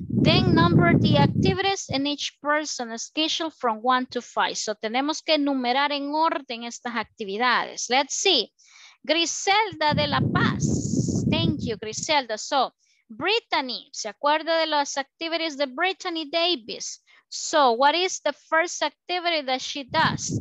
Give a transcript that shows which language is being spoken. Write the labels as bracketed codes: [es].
[en] Then number the activities in each person's schedule from 1 to 5. [es] So tenemos que enumerar en orden estas actividades. [en] Let's see. Griselda de la Paz. Thank you, Griselda. So, Brittany. [es] ¿Se acuerda de las activities de Brittany Davis? [en] So, what is the first activity that she does?